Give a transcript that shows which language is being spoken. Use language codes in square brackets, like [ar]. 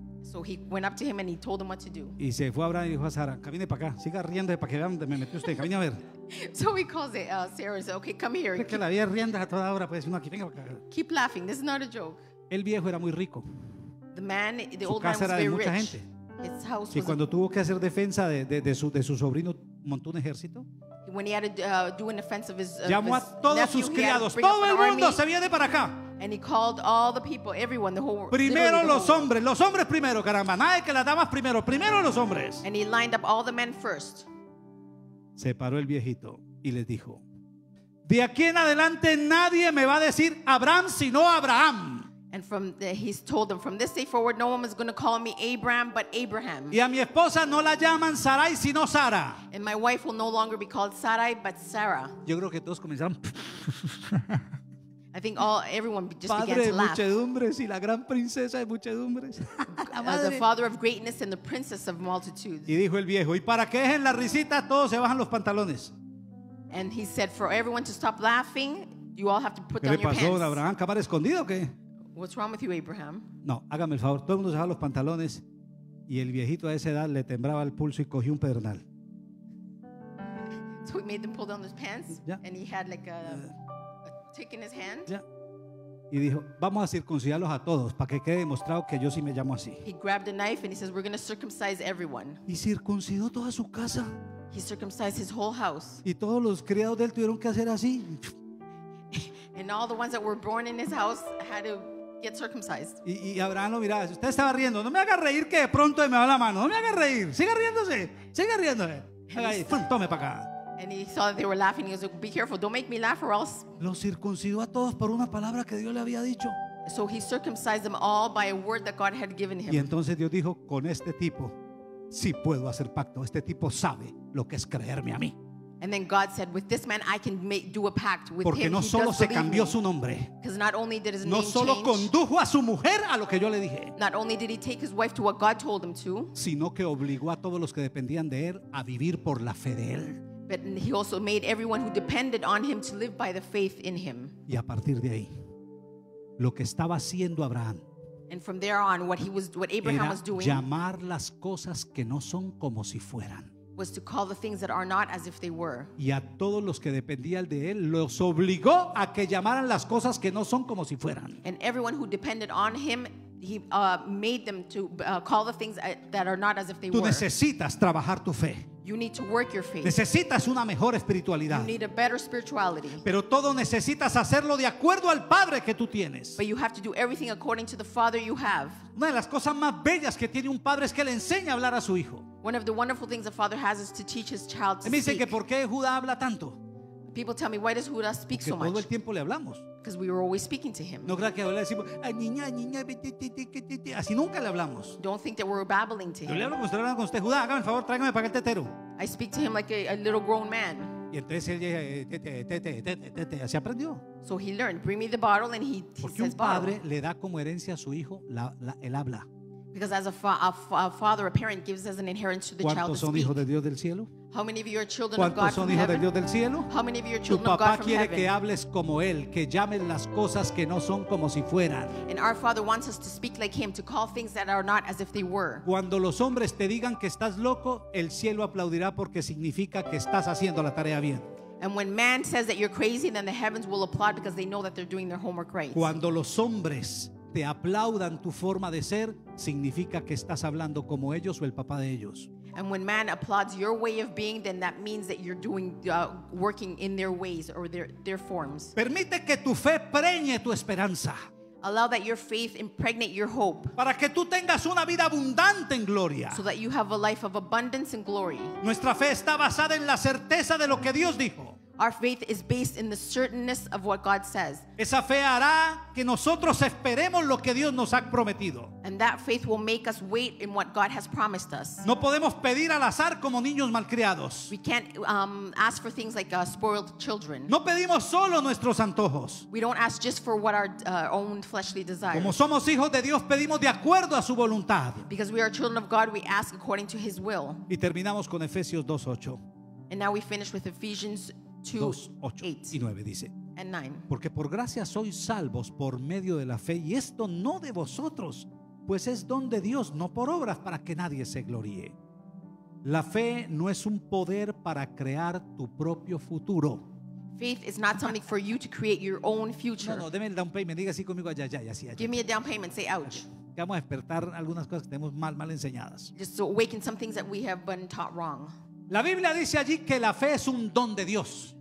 [en] So he went up to him and he told him what to do. [es] Y se fue Abraham y dijo a Sara, camine para acá, siga riendo para que vean dónde me metió usted, camine a ver. [en] So he calls it, Sarah and said, okay, come here. [es] Es que la vida rienda a toda hora, pues, uno aquí, venga para acá. [en] Keep laughing, this is not a joke. [es] El viejo era muy rico. [en] The man, the old man was very rich. [es] Su casa era de mucha gente. [en] His house [es] y cuando tuvo que hacer defensa de su sobrino, montó un ejército. [en] When he had to do an offense of his nephew, [es] llamó a todos sus criados. Todo el mundo se viene para acá. [en] And he called all the people, everyone, the whole world. [es] Primero los hombres. Los hombres primero, caramba. Nadie que las damas primero. Primero los hombres. [en] And he lined up all the men first. [es] Se paró el viejito y les dijo, de aquí en adelante nadie me va a decir Abraham, sino Abraham. [en] And he's told them, from this day forward, no one is going to call me Abraham, but Abraham. [es] Y a mi esposa no la llaman Sarai, sino Sara. [en] And my wife will no longer be called Sarai, but Sarah. [es] Yo creo que todos comenzaron. [en] I think everyone just [es] Padre [en] began to laugh. [es] Padre de muchedumbres y la gran princesa de muchedumbres. [en] The father of greatness and the princess of multitudes. [es] Y dijo el viejo, y para que dejen la risita, todos se bajan los pantalones. [en] And he said, for everyone to stop laughing, you all have to put down your pants. [es] ¿Qué le pasó a Abraham? ¿Cámara escondida o qué? [en] What's wrong with you, Abraham? [es] No, hágame el favor. Todo el mundo se baja los pantalones y el viejito a esa edad le temblaba el pulso y cogió un pedernal. [en] So he made them pull down his pants, yeah. And he had like a tick in his hand. Yeah. [es] Y dijo, vamos a circuncidarlos a todos para que quede demostrado que yo sí me llamo así. [en] He grabbed a knife and he says, we're going to circumcise everyone. [es] Y circuncidó toda su casa. [en] He circumcised his whole house. [es] Y todos los criados de él tuvieron que hacer así. [en] And all the ones that were born in his house had to get circumcised. [es] Y Abraham lo miraba. Usted estaba riendo. No me haga reír que de pronto me va la mano. No me haga reír. Siga riéndose. Ahí, tome para acá. [en] And he saw that they were laughing. He was like, be careful. Don't make me laugh or else. [es] Lo circuncidó a todos por una palabra que Dios le había dicho. [en] So he circumcised them all by a word that God had given him. [es] Y entonces Dios dijo, con este tipo sí puedo hacer pacto. Este tipo sabe lo que es creerme a mí. [en] And then God said, with this man I can make, do a pact with [es] Porque [en] him. [es] No solo se cambió su nombre. [en] Because not only did his [es] no [en] name [es] solo [en] change, [es] condujo a su mujer a lo que yo le dije. [en] Not only did he take his wife to what God told him to, [es] sino que obligó a todos los que dependían de él a vivir por la fe de él. [en] But he also made everyone who depended on him to live by the faith in him. [es] Y a partir de ahí, lo que estaba haciendo Abraham, [en] and from there on, what Abraham was doing, [es] llamar las cosas que no son como si fueran, [en] was to call the things that are not as if they were. [es] Y a todos los que dependían de él, los obligó a que llamaran las cosas que no son como si fueran. [en] And everyone who depended on him, he made them to call the things that are not as if they [es] Tú [en] were. [es] Tú necesitas trabajar tu fe. [en] You need to work your faith. [es] Necesitas una mejor espiritualidad. [en] You need a better spirituality. [es] Pero todo necesitas hacerlo de acuerdo al Padre que tú tienes. [en] But you have to do everything according to the Father you have. [es] Una de las cosas más bellas que tiene un padre es que le enseña a hablar a su hijo. [en] One of the wonderful things a father has is to teach his child to speak. [es] Me dicen que ¿por qué Judá habla tanto? [en] People tell me, why does Judah speak so much? [es] Porque todo el tiempo le hablamos. [en] Because we were always speaking to him. [es] No creas que ahora decimos, niña, niña, así nunca le hablamos. [en] Don't think that we're babbling to him. [es] Yo le hablo como usted le habla con usted. Judá, hágame el favor, tráigame para el tetero. [en] I speak to him like a little grown man. [es] Y entonces él dice, tete, así aprendió. [en] So he learned, bring me the bottle, and he says, [es] porque un padre le da como herencia a su hijo el habla. [en] Because as a father, a parent gives as an inheritance to the child to speak. [es] ¿Cuántos son hijos de Dios del cielo? [en] How many of you are children of God from heaven? [es] ¿Cuántos son hijos de Dios del cielo? [en] How many of you are children of God from heaven? [es] Tu papá quiere que hables como él, que llamen las cosas que no son como si fueran. [en] And our father wants us to speak like him, to call things that are not as if they were. [es] Cuando los hombres te digan que estás loco, el cielo aplaudirá porque significa que estás haciendo la tarea bien. [en] And when man says that you're crazy, then the heavens will applaud because they know that they're doing their homework right. [es] Cuando los hombres te aplaudan tu forma de ser, significa que estás hablando como ellos o el papá de ellos. [en] And when man applauds your way of being, then that means that you're doing working in their ways or their forms. [es] Permite que tu fe preñe tu esperanza. [en] Allow that your faith impregnate your hope. [es] Para que tú tengas una vida abundante en gloria. [en] So that you have a life of abundance and glory. [es] Nuestra fe está basada en la certeza de lo que Dios dijo. [en] Our faith is based in the certainness of what God says. [es] Esa fe hará que nosotros esperemos lo que Dios nos ha prometido. [en] And that faith will make us wait in what God has promised us. [es] No podemos pedir al azar como niños malcriados. [en] We can't ask for things like spoiled children. [es] No pedimos solo nuestros antojos. [en] We don't ask just for what our own fleshly desires. [es] Como somos hijos de Dios, pedimos de acuerdo a su voluntad. [en] Because we are children of God, we ask according to his will. [es] Y terminamos con Efesios 2:8. [en] And now we finish with Ephesians 2:8-9 [es] dice, [en] and 9. [es] Porque por gracia sois salvos por medio de la fe, y esto no de vosotros, pues es don de Dios, no por obras, para que nadie se gloríe. La fe no es un poder para crear tu propio futuro. [en] Faith is not something for you to create your own future. [es] No, deme el [en] down payment, [es] diga así conmigo, allá, así, allá. [en] Give me a down payment, say ouch. [es] Que vamos a despertar algunas cosas que tenemos mal enseñadas. [en] Just to awaken some things that we have been taught wrong. [es] La Biblia dice allí que la fe es un don de Dios.